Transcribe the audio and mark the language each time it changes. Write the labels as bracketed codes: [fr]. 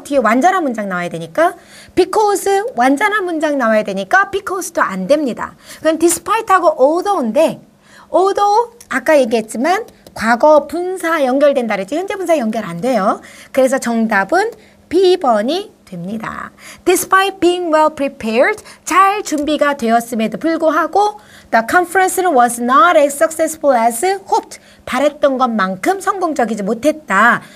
[ko] 뒤에 완전한 문장 나와야 되니까 because 완전한 문장 나와야 되니까 because도 안 됩니다. 그럼 despite하고 although인데 although 아까 얘기했지만 과거 분사 연결된다 그랬지 현재 분사 연결 안 돼요. 그래서 정답은 B번이 됩니다. [en] Despite being well prepared, [ko] 잘 준비가 되었음에도 불구하고 [en] the conference was not as successful as hoped. [ko] 바랬던 것만큼 성공적이지 못했다.